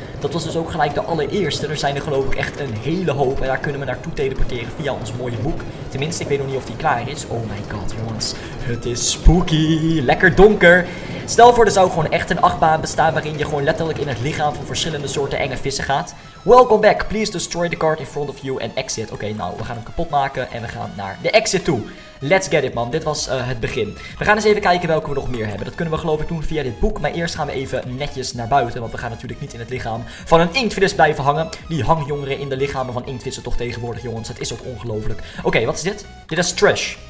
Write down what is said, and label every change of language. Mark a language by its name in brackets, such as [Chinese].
[Dutch] Dat was dus ook gelijk de allereerste. Er zijn er geloof ik echt een hele hoop. En daar kunnen we naartoe teleporteren via ons mooie boek. Tenminste, ik weet nog niet of die klaar is. [English] Oh my god [Dutch] jongens, het is spooky. Lekker donker. Stel voor, er zou gewoon echt een achtbaan bestaan waarin je gewoon letterlijk in het lichaam van verschillende soorten enge vissen gaat. [English] Welcome back. Please destroy the card in front of you and exit. [Dutch] Oké, nou, we gaan hem kapot maken en we gaan naar de exit toe. [English] Let's get it, man. [Dutch] Dit was het begin. We gaan eens even kijken welke we nog meer hebben. Dat kunnen we geloof ik doen via dit boek. Maar eerst gaan we even netjes naar buiten. Want we gaan natuurlijk niet in het lichaam van een inktvis blijven hangen. Die hangjongeren in de lichamen van inktvissen toch tegenwoordig, jongens. Het is ook ongelooflijk. Oké, wat is dit? Dit is trash.